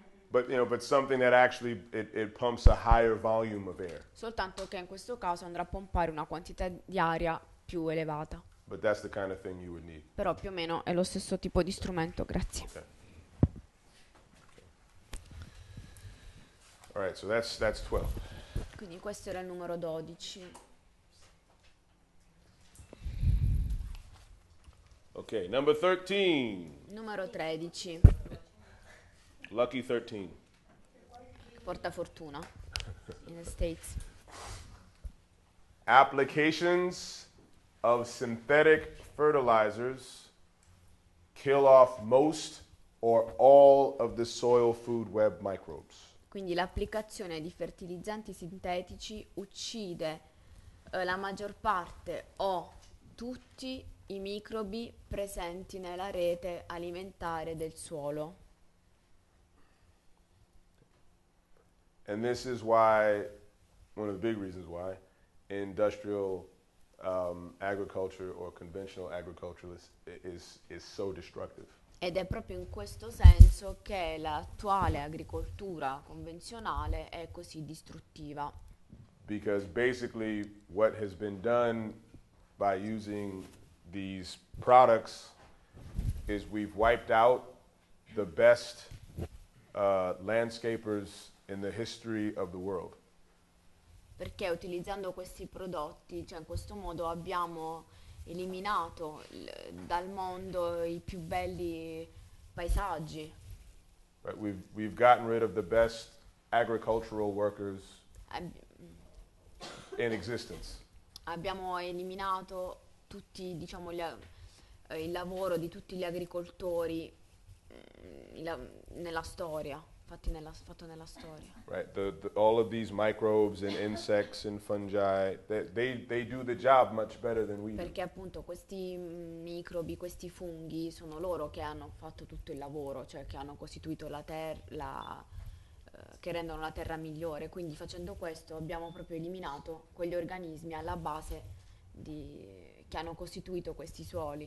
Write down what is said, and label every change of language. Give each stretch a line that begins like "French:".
English: But you know, but something that actually it pumps a higher volume of air.
Italian: Soltanto che in questo caso andrà a pompare una quantità di aria più elevata.
English: But that's the kind of thing you would need.
Italian: Però più o meno è lo stesso tipo di strumento. Grazie.
English: Okay. All right, so that's 12.
Italian: Quindi questo era il numero 12.
English: Okay, number 13.
Italian: Numero 13.
English: Lucky 13.
Italian: Porta fortuna.
English: In the States. Applications of synthetic fertilizers kill off most or all of the soil food web microbes.
Italian: Quindi l'applicazione di fertilizzanti sintetici uccide la maggior parte o tutti i microbi presenti nella rete alimentare del suolo.
English: And this is why, one of the big reasons why, industrial agriculture or conventional agriculture is so destructive.
Italian: Ed è proprio in questo senso che l'attuale agricoltura convenzionale è così distruttiva.
English: Because basically what has been done by using these products is we've wiped out the best landscapers in the history of the world.
Italian: perché utilizzando questi prodotti, cioè in questo modo abbiamo eliminato dal mondo i più belli paesaggi.
English: We've gotten rid of the best agricultural workers in existence.
Italian: Abbiamo eliminato tutti, diciamo, il lavoro di tutti gli agricoltori nella storia, fatto nella storia.
English: Right, all of these microbes and insects and fungi, they do the job much better than we do.
Italian: Perché appunto questi microbi, questi funghi, sono loro che hanno fatto tutto il lavoro, cioè che hanno costituito la terra, che rendono la terra migliore. Quindi facendo questo abbiamo proprio eliminato quegli organismi alla base che hanno costituito questi suoli.